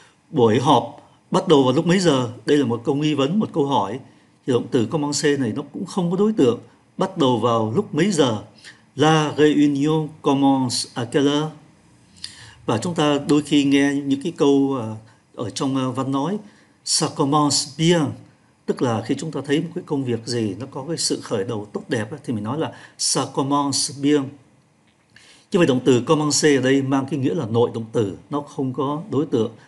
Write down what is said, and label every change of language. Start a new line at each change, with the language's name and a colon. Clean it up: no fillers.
Vietnamese: Buổi họp bắt đầu vào lúc mấy giờ? Đây là một câu nghi vấn, một câu hỏi. Thì động từ commencer này nó cũng không có đối tượng. Bắt đầu vào lúc mấy giờ?
French: La réunion commence à quelle heure?
Vietnamese: Và chúng ta đôi khi nghe những cái câu ở trong văn nói
French: ça commence bien,
Vietnamese: tức là khi chúng ta thấy một cái công việc gì nó có cái sự khởi đầu tốt đẹp thì mình nói là ça commence bien. Như vậy động từ commencer ở đây mang cái nghĩa là nội động từ, nó không có đối tượng.